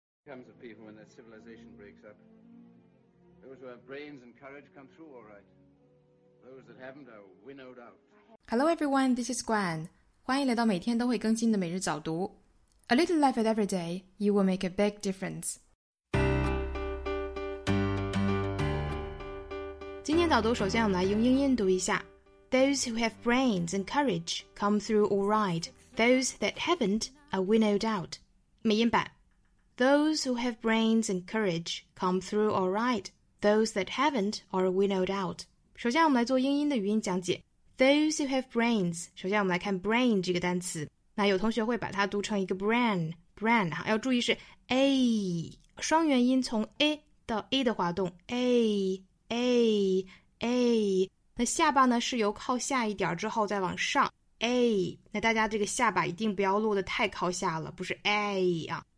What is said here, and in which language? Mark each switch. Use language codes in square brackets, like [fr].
[en] Comes of people when their civilization breaks up. Those who have brains and courage come through all right. Those that haven't are winnowed out. Hello everyone, this is Gwen. [zh] 欢迎来到每天都会更新的每日早读。 [en] A little life at every day, you will make a big difference. [zh] 今天早读首先我们来用英音读一下。 [en] Those who have brains and courage come through all right. Those that haven't are winnowed out. [zh] 美音版。 [en] Those who have brains and courage come through all right. Those that haven't are winnowed out. [zh] 首先我们来做英音的语音讲解。 [en] Those who have brains, [zh] 首先我们来看 brain 这个单词。那有同学会把它读成一个 brain, 要注意是 a, 双元音从 a 到 a 的滑动 ,a,a,a, 那下巴呢是由靠下一点之后再往上 ,a, 那大家这个下巴一定不要落得太靠下了，不是 a 啊。